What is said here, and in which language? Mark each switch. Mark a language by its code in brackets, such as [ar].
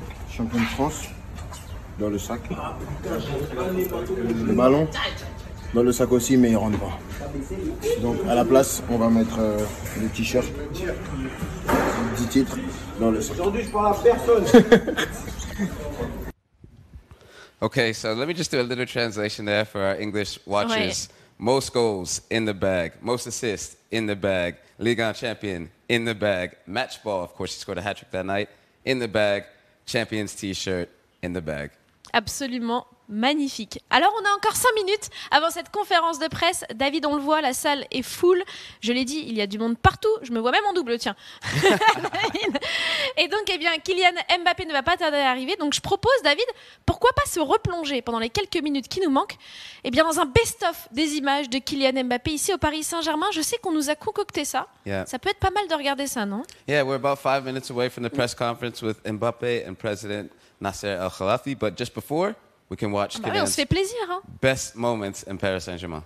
[fr] Champion de France dans le sac. Le ballon dans le sac aussi, mais il ne rentre pas. Donc à la place, on va mettre le t-shirt, 10 titres dans le sac. Aujourd'hui, je parle à personne. [en] Okay, so let me just do a little translation there for our English watchers. Ouais. Most goals in the bag, most assists in the bag, Ligue 1 champion in the bag, match ball, of course, he scored a hat-trick that night, in the bag, champion's t-shirt in the bag. [fr] Absolument magnifique. Alors, on a encore 5 minutes avant cette conférence de presse. David, on le voit, la salle est full. Je l'ai dit, il y a du monde partout. Je me vois même en double, tiens. Et donc, eh bien, Kylian Mbappé ne va pas tarder à arriver. Donc, je propose, David, pourquoi pas se replonger pendant les quelques minutes qui nous manquent, eh bien, dans un best-of des images de Kylian Mbappé ici au Paris Saint-Germain. Je sais qu'on nous a concocté ça. [en] Yeah. [fr] Ça peut être pas mal de regarder ça, non? [en] Yeah, we're about 5 minutes away from the press conference with Mbappé and President Nasser Al-Khelaifi, but just before, we can watch best moments in Paris Saint-Germain.